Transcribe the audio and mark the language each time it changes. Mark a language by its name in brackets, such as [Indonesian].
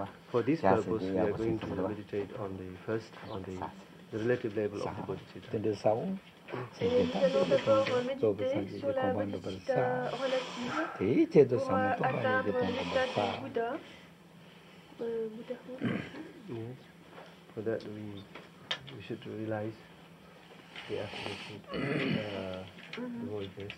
[English] For this purpose, we are going to meditate on the first, on the relative level of the bodhicitta. [French] Et nous allons d'abord méditer sur la bodhicitta relative pour atteindre l'état du Bouddha. [English] Yes, for that we should realize the absolute truth.